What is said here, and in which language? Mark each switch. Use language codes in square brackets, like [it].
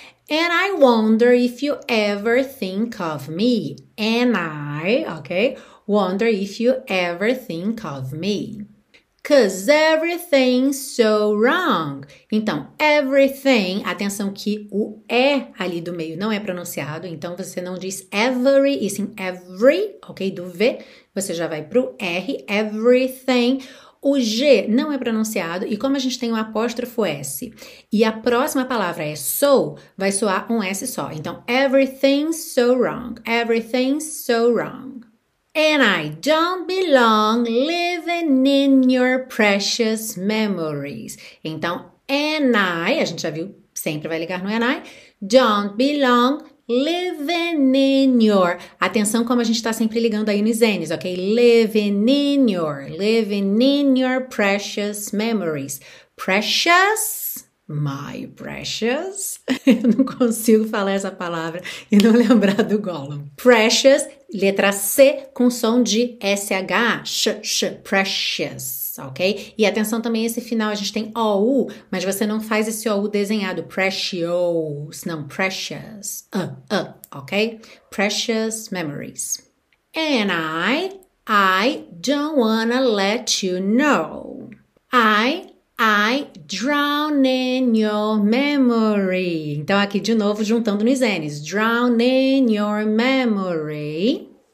[en] and I wonder if you ever think of me, and I, ok, wonder if you ever think of me, 'cause everything's so wrong, [pt] então everything, atenção que o E ali do meio não é pronunciado, então você não diz every, e sim every, ok, do V, você já vai pro R, everything, O G não é pronunciado e como a gente tem um apóstrofo S e a próxima palavra é so, vai soar um S só. [en] Então, everything's so wrong. Everything's so wrong. And I don't belong living in your precious memories. [pt] Então, and I, a gente já viu, sempre vai ligar no and I, [en] don't belong living in your. [pt] Atenção como a gente está sempre ligando aí nos N's, ok? [en] Living in your precious memories. Precious, my precious. [pt] Eu não consigo falar essa palavra e não lembrar do Gollum. Precious, letra C com som de SH, sh, precious. Ok? E atenção também, esse final a gente tem OU, mas você não faz esse OU desenhado. Precious, não, precious. Ok? [en] Precious memories. And I don't wanna let you know. I drown in your memory. [pt] Então, aqui de novo, juntando nos N's. [en] Drown in your memory.